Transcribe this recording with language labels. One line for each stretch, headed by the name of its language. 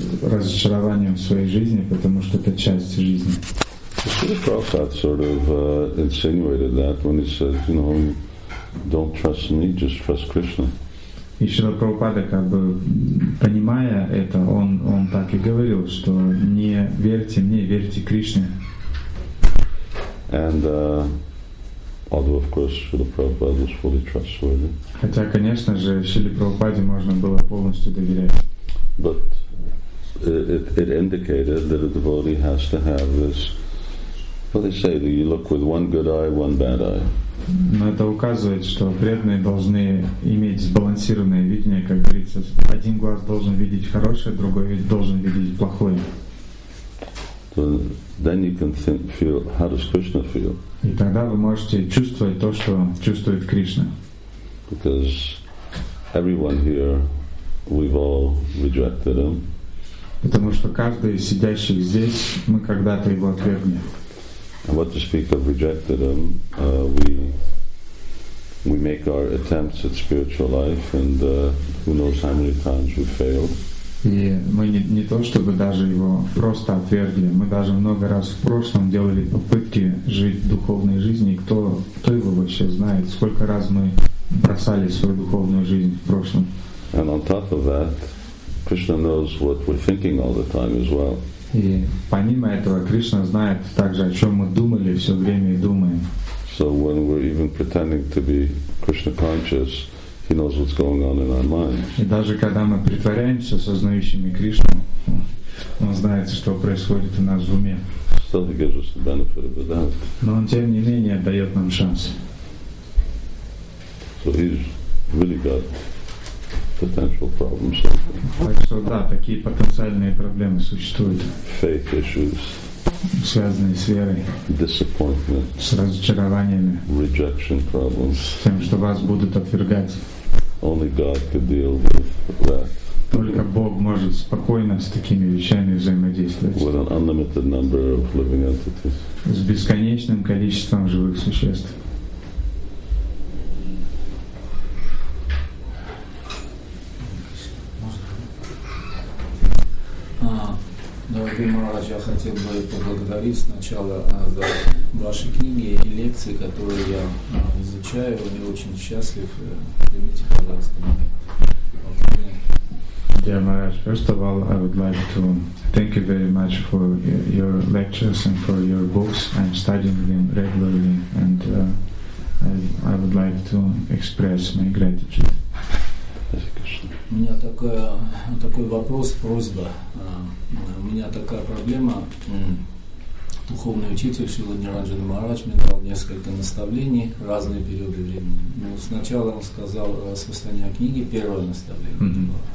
Russian: разочарованием в своей жизни, потому что это часть жизни.
English: Шрила Прабхупада sort of insinuated that when he said, you know, don't trust me, just trust Krishna.
Russian: И Шрила Прабхупада, как бы понимая это, он так и говорил, что не верьте мне, верьте Кришне.
English: And although, of course, Шрила Прабхупада was fully trustworthy.
Russian: Хотя, конечно же, Шриле Прабхупаде можно было полностью доверять.
English: But it indicated that a devotee has to have this. What they say, do you look with one good eye, one bad eye?
Russian: Но это указывает, что преданные должны иметь сбалансированное видение, как говорится. Один глаз должен видеть хорошее, другой должен видеть плохое.
English: Then you can feel how does Krishna feel?
Russian: И тогда вы можете чувствовать то, что чувствует Кришна.
English: Because everyone here, we've all rejected him.
Russian: Потому что каждый из сидящих здесь, мы когда-то его отвергли.
English: And what to speak of rejected him, we make our attempts at spiritual life, and who knows how many times we failed.
Russian: И мы не то чтобы даже его просто отвергли, мы даже много раз в прошлом делали попытки жить духовной жизнью. Кто его вообще знает, сколько раз мы бросали свою духовную жизнь в прошлом.
English: And on top of that, Krishna knows what we're thinking all the time as well.
Russian: И помимо этого, Кришна знает также, о чем мы думали все время и думаем.
English: So when we're even pretending to be Krishna conscious, he knows what's going on in our minds.
Russian: И даже когда мы притворяемся сознающими Кришну, он знает, что происходит у нас в уме.
English: Still he gives us the benefit of the doubt.
Russian: Но он тем не менее дает нам шанс.
English: So he's really got potential problems.
Russian: Так что да, такие потенциальные проблемы существуют.
English: Faith issues.
Russian: Связанные с верой.
English: Disappointment.
Russian: С разочарованиями.
English: Rejection problems.
Russian: С тем, что вас будут отвергать.
English: Only God could deal with that.
Russian: Только Бог может спокойно с такими вещами взаимодействовать.
English: With an unlimited number of living entities.
Russian: С бесконечным количеством живых существ. Дорогой Махарадж, я хотел бы поблагодарить сначала за ваши книги и лекции, которые я изучаю. Я очень счастлив. Примите, пожалуйста, мои поздравления.
English: Dear Махарадж, first of all, I would like to thank you very much for your lectures and for your books. I'm studying them regularly, and I would like to express my gratitude.
Russian: У меня такой вопрос, просьба. У меня такая проблема. Духовный учитель Шрила Ниранджан Махарадж мне дал несколько наставлений в разные периоды времени. Но сначала он сказал распространение книги, первое наставление.